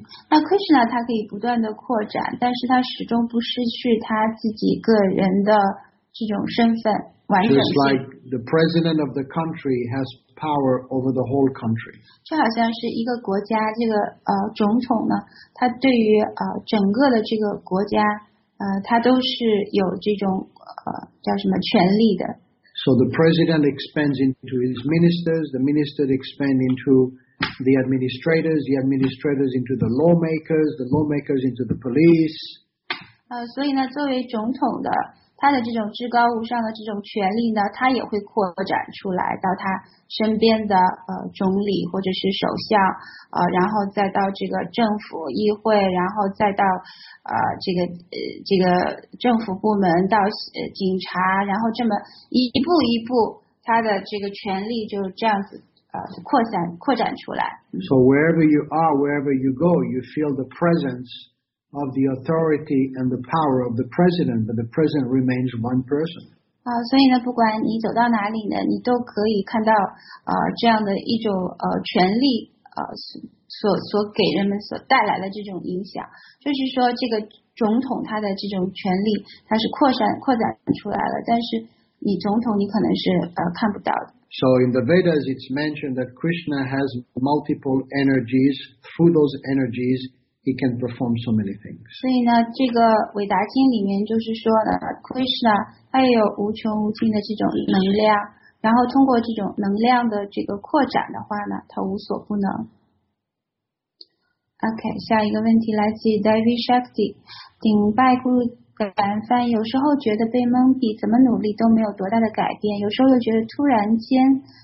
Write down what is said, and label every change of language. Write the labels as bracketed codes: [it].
[zh] 那 Krishna 他可以不断的扩展但是他始终不失去他自己个人的这种身份完整性 [en] Just like the president of the country has power over the whole country. [zh] 就好像是一个国家这个总统呢他对于整个的这个国家他都是有这种叫什么权力的。 [en] So the president expands into his ministers, the minister expands into the administrators into the lawmakers into the police. [zh] 所以呢作为总统的他的这种至高无上的这种权力呢他也会扩展出来到他身边的总理或者是首相然后再到这个政府议会然后再到这个政府部门到警察然后这么一步一步他的这个权力就这样子扩展出来。 [en] So wherever you are, wherever you go, you feel the presence. Of the authority and the power of the president, but the president remains one person. [zh] 所以呢，不管你走到哪里呢，你都可以看到这样的一种权力所给人们所带来的这种影响。就是说，这个总统他的这种权力，他是扩展出来了，但是你总统你可能是看不到的。 [en] So in the Vedas, it's mentioned that Krishna has multiple energies. Through those energies. He can perform so many things. [zh] 所以呢，这个伟达经里面就是说呢 ，Krishna 他也有无穷无尽的这种能量，然后通过这种能量的这个扩展的话呢，他无所不能。 OK， 下一个问题来自 David Shakti， 顶拜咕噜感翻，有时候觉得被蒙蔽，怎么努力都没有多大的改变，有时候又觉得突然间。